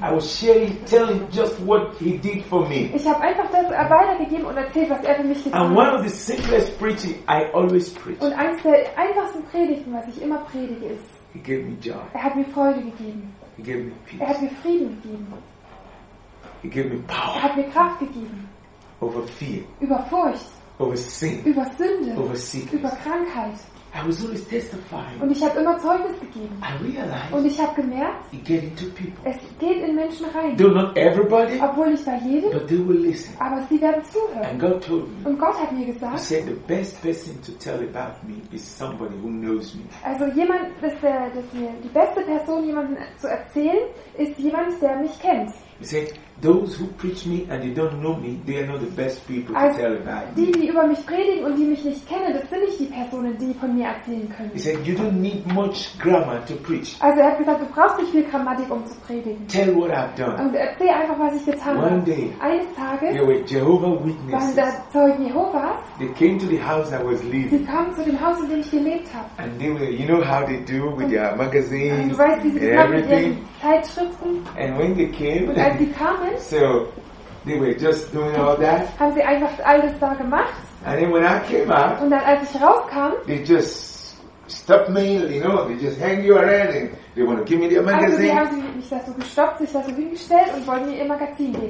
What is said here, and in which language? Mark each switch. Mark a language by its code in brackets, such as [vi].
[en] I was sharing, telling just what he did for me. [de] Ich habe einfach das weitergegeben und erzählt, was er für mich getan hat. [en] And one of the simplest preaching I always preach. [de] Und eins der einfachsten Predigten, was ich immer predige, ist. [en] He gave me joy. [de] Er hat mir Freude gegeben. [en] He gave me peace. [de] Er hat mir Frieden gegeben. [en] He gave me power. [de] Er hat mir Kraft gegeben. [en] Over fear. [de] Über Furcht. [en] Over sin. [de] Über Sünde. [en] Over sickness. [de] Über Krankheit. [en] I was always testifying. [de] Und ich habe immer Zeugnis gegeben. [en] I realized, [de] und ich habe gemerkt, [en] it get into people. [de] Es geht in Menschen rein. [en] Though not everybody, [de] obwohl nicht bei jedem, [en] but they will listen. [de] Aber sie werden zuhören. [en] And God told me, [de] und Gott hat mir gesagt, [en] he said the best person to tell about me is somebody who knows me. [de] Also jemand, das die beste Person, jemanden zu erzählen, ist jemand, der mich kennt. [en] He said, those who preach me and they don't know me, they are not the best people [de] also [en] to tell about [de] die, die über mich predigen und die mich nicht kennen, das sind nicht die Personen, die von mir erzählen können. [en] He said, you don't need much grammar to preach. [de] Also hat gesagt, du brauchst nicht viel Grammatik, zu predigen. [en] Tell what I've done. [de] Und erzähl einfach, was ich getan habe. [en] One day, [de] eines Tages, [en] there were Jehovah Witnesses. [de] Waren da Zeugen Jehovas. [en] They came to the house I was living. [de] Sie kamen zu dem Haus, in dem ich gelebt habe. [en] And they were, you know how they do with their magazines, [de] du weißt, wie sie mit ihren Zeitschriften. [en] And when they came, [de] und als sie kamen, [en] so they were just doing all that. [de] Haben sie einfach alles da gemacht. [en] And then when I came out, [de] und dann als ich rauskam, [en] they just stop me, you know, they just hang you around and they want to give me their magazine. [de] Also sie haben mich da so gestoppt, sich da so hingestellt und wollen mir ihr Magazin geben.